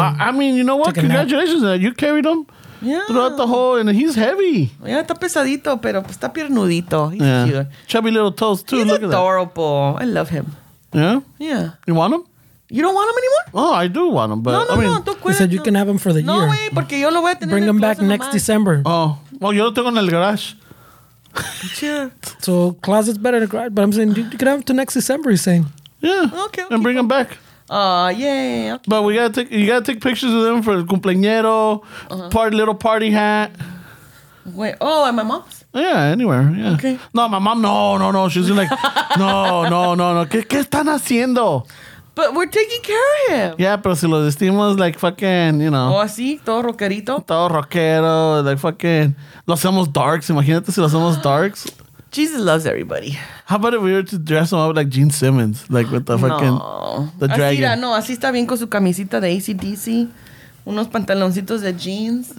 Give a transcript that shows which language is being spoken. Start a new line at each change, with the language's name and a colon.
English: I mean, you know what? Congratulations, that you carried him. Yeah. Throughout the whole, and he's heavy.
Spanish: Yeah, está pesadito, pero está piernudito.
English: He's cute. Chubby little toes too. He's look adorable. At that. I love him. Yeah. Yeah. You want him? You don't want him anymore? Oh, I do want him, but no. He said you can have him for the year. No way,
Spanish: porque yo lo voy a tener.
English: Bring him back next December. Oh, well,
Spanish: yo lo tengo en el garage.
English: So closet's better than garage, but I'm saying you can have him to next December. He's saying. Yeah. Okay. And bring him back. Yeah. But you gotta take pictures of them for the cumpleañero, little party hat. Wait. Oh, at my mom's. Yeah, anywhere. Yeah. Okay. No, my mom. No. She's like, no.
Spanish: ¿Qué están haciendo?
English: But we're taking care of him.
Spanish: Yeah, pero si lo vestimos
English: like fucking, you know.
Spanish: Oh, así, todo rockerito. Todo rockero,
English: like fucking.
Spanish: Lo hacemos darks. Imagínate si lo hacemos darks.
English: Jesus loves everybody. How about if we were to dress him up like Gene Simmons, like with the fucking the dragon?
Spanish: Así, no, así está bien con su camisita de AC/DC, unos pantaloncitos de jeans.